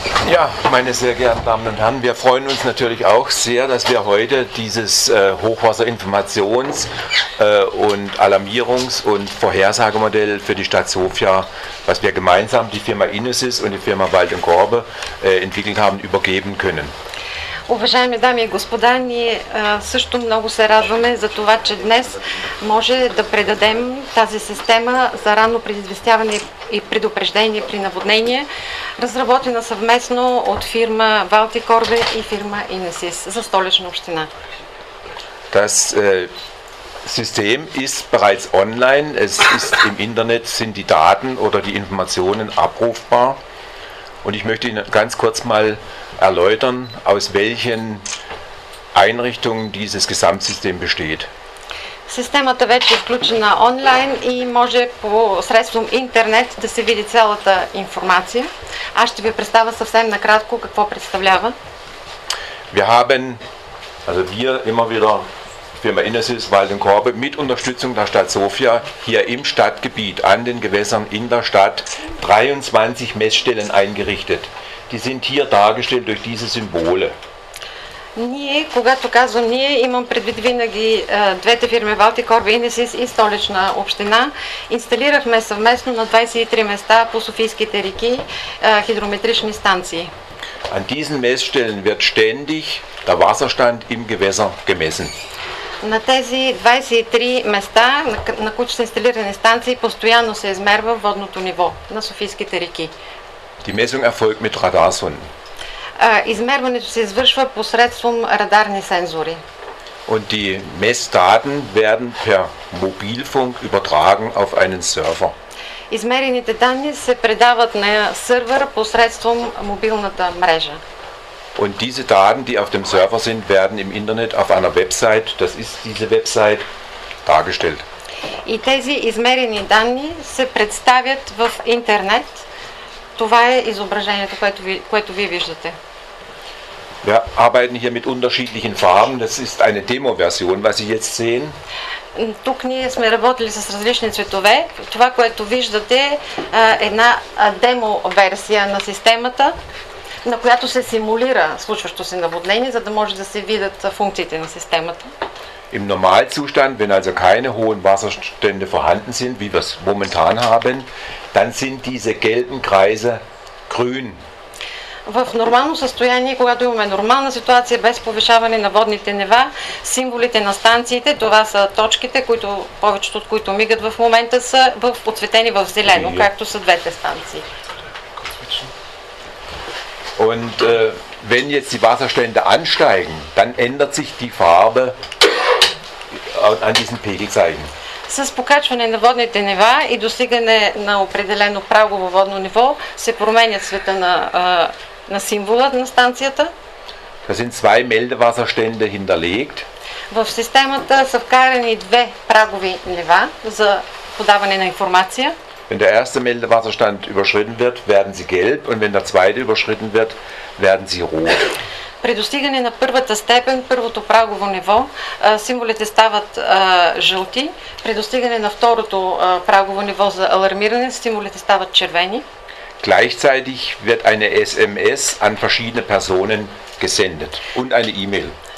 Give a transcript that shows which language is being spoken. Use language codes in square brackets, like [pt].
[de] Ja, meine sehr geehrten Damen und Herren, wir freuen uns natürlich auch sehr, dass wir heute dieses Hochwasserinformations- und Alarmierungs- und Vorhersagemodell für die Stadt Sofia, was wir gemeinsam, die Firma Inesis und die Firma Wald & Korbe, entwickelt haben, übergeben können. [bg] Уважаеми дами и господа, ние също много се радваме за това, че днес може да предадем тази система за ранно предизвестяване и предупреждение при наводнение, разработена съвместно от фирма Wald & Korbe и фирма Inesis за Столична община. [de] Das System ist bereits online, es ist im Internet, sind die Daten oder die Informationen abrufbar. Und ich möchte Ihnen ganz kurz mal erläutern, aus welchen Einrichtungen dieses Gesamtsystem besteht. [bg] Системата вече е включена онлайн и може по средством интернет да се види цялата информация. Аз ще ви представя съвсем накратко какво представлява. [de] Wir haben, also wir immer wieder Firma Inesis Wald & Korbe mit Unterstützung der Stadt Sofia hier im Stadtgebiet an den Gewässern in der Stadt 23 Messstellen eingerichtet. Die sind hier dargestellt durch diese Symbole. [bg] Ние, когато казвам ние, имам предвид винаги двете фирми Wald & Korbe Inesis и Столична община. Инсталирахме съвместно на 23 места по Софийските реки хидрометрични станции. [de] An diesen Messstellen wird ständig der Wasserstand im Gewässer gemessen. [bg] На тези 23 места, на които са инсталирани станции, постоянно се измерва водното ниво на Софийските реки. [de] Die Messung erfolgt mit Radarsonden. [bg] Измерването се извършва посредством радарни сензори. [de] Und die Messdaten werden per Mobilfunk übertragen auf einen Server. [bg] Измерените данни се предават на сървър посредством мобилната мрежа. [de] Und diese Daten, die auf dem Server sind, werden im Internet auf einer Website, das ist diese Website, dargestellt. [bg] И тези измерени данни се представят в интернет. Това е изображението, което вие виждате. [de] Wir arbeiten hier mit unterschiedlichen Farben. Das ist eine Demo-Version, was Sie jetzt sehen. [bg] Тук ние сме работили с различни цветове. Това, което виждате, е една демо-версия на системата, на която се симулира случващо се наводнение, за да може да се видят функциите на системата. [de] Im Normalzustand, wenn also keine hohen Wasserstände vorhanden sind, wie wir es momentan haben, dann sind diese gelben Kreise grün. [bg] В нормално състояние, когато имаме нормална ситуация без повишаване на водните нива, символите на станциите, това са точките, които повечето от които мигат в момента, са подсветени в зелено, както са двете станции. [de] Und wenn jetzt die Wasserstände ansteigen, dann ändert sich die Farbe an diesen Pegelzeichen. [bg] С покачване на водните нива и достигане на определено прагово водно ниво се променя цвета на символа на станцията. [de] Da sind zwei Meldewasserstände hinterlegt. [bg] В системата са вкарани две прагови нива за подаване на информация. [de] Wenn der erste Meldewasserstand überschritten wird, werden sie gelb und wenn der zweite überschritten wird, werden sie rot. [bg] при достигане на първата степен, първото прагово ниво, символите стават жълти, при достигане на второто прагово ниво за алармиране, символите стават червени. [de] Gleichzeitig wird eine SMS an verschiedene Personen gesendet und eine E-Mail.